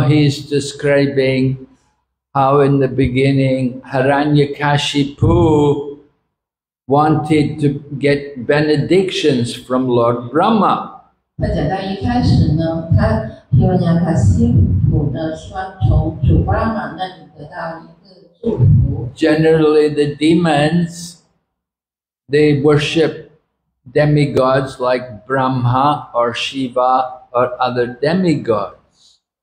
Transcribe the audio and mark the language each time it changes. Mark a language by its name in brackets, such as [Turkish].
[English] he's describing how in the beginning Haranyakashipu wanted to get benedictions from Lord Brahma. [Chinese] 他讲到一开始呢，他希望亚卡西普呢希望从主巴拉玛那里得到一个祝福。 [English] Generally, the demons, they worship demigods like Brahma or Shiva or other demigods.